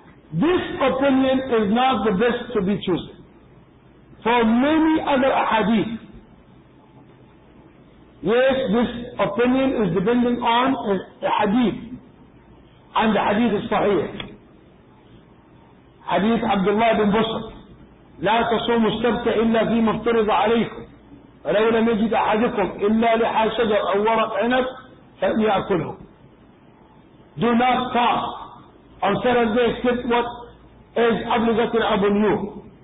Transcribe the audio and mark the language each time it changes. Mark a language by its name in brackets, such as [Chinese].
[English] This opinion is not the best to be chosen. For many other hadith, yes, this opinion is depending on the hadith, and the hadith is sahih. [Arabic] حديث عبد الله بن بصر لا تصوم السبت إلا فيما افترض عليكم ولو لم يجد أحدكم إلا لحى شجر أو ورق عنب فليأكله. [English] Do not fast on Saturday except what is obligatory upon you.